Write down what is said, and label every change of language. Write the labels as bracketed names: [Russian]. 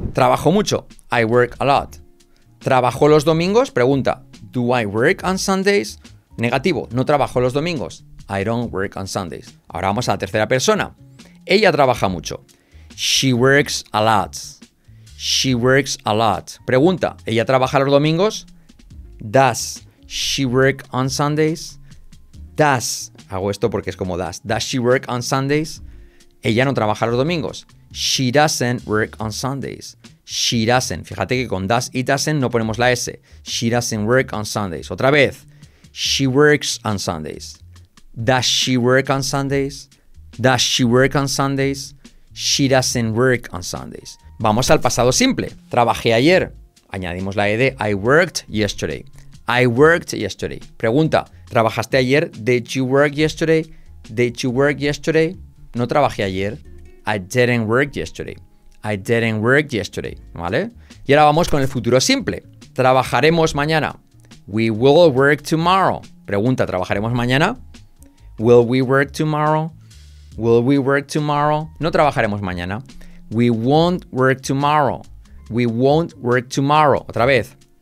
[Spanish] Trabajo mucho. [English] I work a lot. [Spanish] ¿Trabajo los domingos? Pregunta. [English] Do I work on Sundays? Negativo. [Spanish] No trabajo los domingos. [English] I don't work on Sundays. [Spanish] Ahora vamos a la tercera persona. Ella trabaja mucho. [English] She works a lot. She works a lot. Pregunta. [Spanish] ¿Ella trabaja los domingos? [English] Does she work on Sundays? Does. [Spanish] Hago esto porque es como does. [English] Does she work on Sundays? [Spanish] Ella no trabaja los domingos. [English] She doesn't work on Sundays. She doesn't. [Spanish] Fíjate que con does y doesn't no ponemos la S. [English] She doesn't work on Sundays. [Spanish] Otra vez. [English] She works on Sundays. Does she work on Sundays? Does she work on Sundays? She doesn't work on Sundays. [Spanish] Vamos al pasado simple. Trabajé ayer. Añadimos la ED. [English] I worked yesterday. I worked yesterday. Pregunta. [Spanish] ¿Trabajaste ayer? [English] Did you work yesterday? Did you work yesterday? [Spanish] No trabajé ayer. [English] I didn't work yesterday. I didn't work yesterday, ¿vale? [Spanish] Y ahora vamos con el futuro simple. Trabajaremos mañana. [English] We will work tomorrow. [Spanish] Pregunta, ¿trabajaremos mañana? [English] Will we work tomorrow? Will we work tomorrow? [Spanish] No trabajaremos mañana. [English] We won't work tomorrow. We won't work tomorrow. [Spanish] Otra vez.